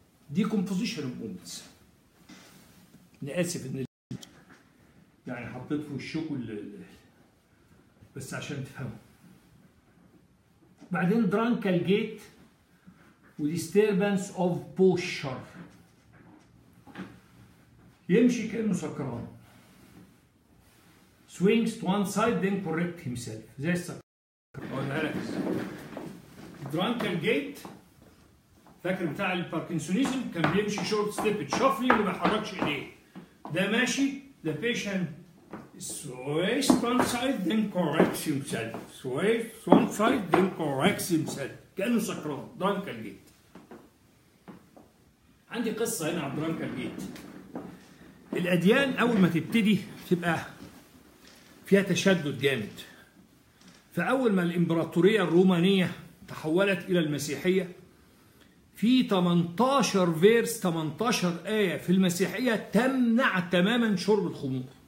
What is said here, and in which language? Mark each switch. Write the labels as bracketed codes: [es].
[ar] دي كومبوزيشن اوف موفمنتس. انا اسف ان يعني حطيت في وشك بس عشان تفهموا. بعدين درانكال جيت وديستربنس اوف بوشر، يمشي كانه سكران. [en] Swings to one side then correct himself. [ar] زي السكر. [en] Drunken gait. [ar] فاكر بتاع الباركنسونيزم كان بيمشي short step شافلي وما بيحركش ايديه. ده ماشي. [en] The patient sways to one side then corrects himself. Sways to one side then corrects himself. [ar] كأنه سكران. [en] Drunken gait. [ar] عندي قصة هنا عن Drunken gait. الأديان أول ما تبتدي تبقى فيها تشدد جامد. فأول ما الإمبراطورية الرومانية تحولت إلى المسيحية، في 18 فيرس 18 آية في المسيحية تمنع تماما شرب الخمور.